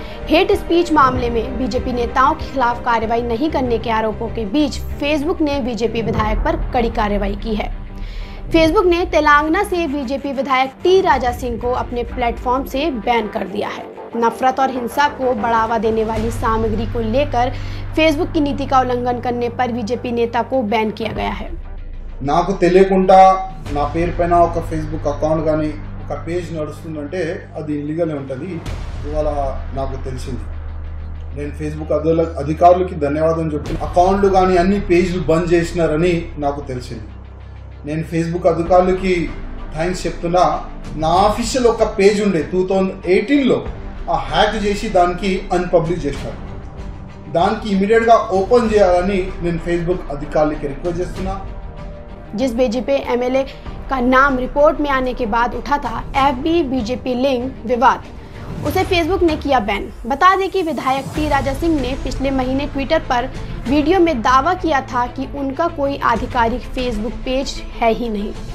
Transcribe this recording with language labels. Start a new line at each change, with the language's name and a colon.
Hindi: Hate speech मामले में BJP नेताओं के खिलाफ कार्रवाई नहीं करने के आरोपों के बीच फेसबुक ने बीजेपी विधायक पर कड़ी कार्रवाई की है। फेसबुक ने तेलंगाना से बीजेपी विधायक टी राजा सिंह को अपने प्लेटफॉर्म से बैन कर दिया है। नफरत और हिंसा को बढ़ावा देने वाली सामग्री को लेकर फेसबुक की नीति का उल्लंघन करने पर बीजेपी नेता को बैन किया गया है।
Telugu: నాకు తెలియకుండా నా పేరు పైన ఒక ఫేస్బుక్ అకౌంట్ కానీ ఒక పేజ్ నడుస్తుందంటే అది ఇల్లీగలే ఉంటుంది. ఇవాళ నాకు తెలిసింది. నేను ఫేస్బుక్ అధికారులకి ధన్యవాదం చెప్తాను. అకౌంట్లు కానీ అన్ని పేజ్లు బంద్ చేసినారని నాకు తెలిసింది. నేను ఫేస్బుక్ అధికారులకి థ్యాంక్స్ చెప్తున్నా. నా ఆఫీషియల్ ఒక పేజ్ ఉండే 2018లో ఆ హ్యాక్ చేసి దానికి అన్పబ్లిక్ చేశారు. దానికి ఇమీడియట్గా ఓపెన్ చేయాలని నేను ఫేస్బుక్ అధికారులకి రిక్వెస్ట్ చేస్తున్నా.
Hindi: जिस बीजेपी एमएलए का नाम रिपोर्ट में आने के बाद उठा था एफबी बीजेपी लिंक विवाद, उसे फेसबुक ने किया बैन। बता दें कि विधायक टी राजा सिंह ने पिछले महीने ट्विटर पर वीडियो में दावा किया था कि उनका कोई आधिकारिक फेसबुक पेज है ही नहीं।